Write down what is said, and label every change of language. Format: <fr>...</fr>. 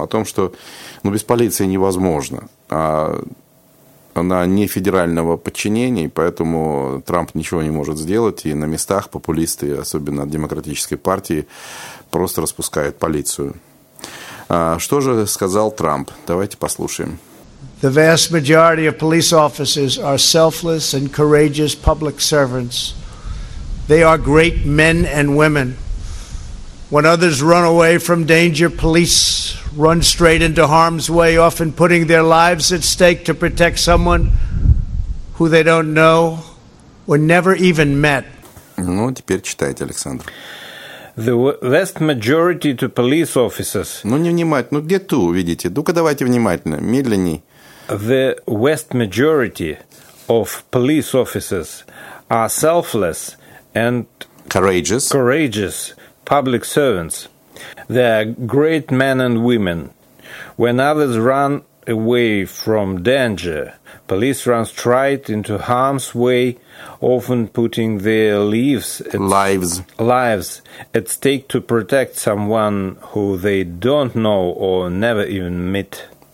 <ru>О том, что ну, без полиции невозможно. Она не федерального подчинения, поэтому Трамп ничего не может сделать. И на местах популисты, особенно от демократической партии, просто распускают полицию. Что же сказал Трамп? Давайте послушаем.</ru> <en>The vast majority of police officers are selfless and courageous public servants. They are great men and women. When others run away from danger, police run straight into harm's way, often putting their lives at stake to protect someone who they don't know or never even met.</en> <ru>Ну, теперь читайте, Александр.</ru> <en>The vast majority to police officers.</en> <ru>Ну, не внимательно. Ну, где ту, видите? Ну-ка, давайте внимательно, медленней.</ru> <en>the vast majority of police officers are selfless and courageous public servants. They are great men and women. When others run away from danger, police run straight into harm's way, often putting their lives at stake to protect someone who they don't know or never even met.</en>